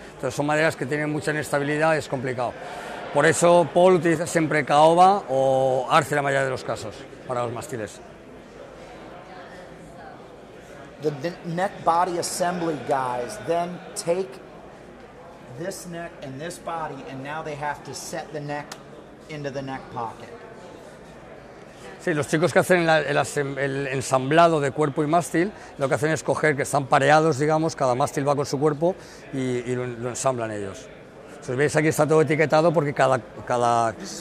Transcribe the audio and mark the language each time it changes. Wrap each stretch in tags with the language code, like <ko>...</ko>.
<es>Entonces son maderas que tienen mucha inestabilidad, es complicado. Por eso Paul utiliza siempre caoba o arce en la mayoría de los casos para los mástiles.</es> <en>The neck body assembly guys then take this neck and this body, and now they have to set the neck into the neck pocket.</en> <es>Sí, los chicos que hacen el ensamblado de cuerpo y mástil, lo que hacen es coger que están pareados, digamos, cada mástil va con su cuerpo y lo ensamblan ellos. Si veis aquí está todo etiquetado porque cada.</es>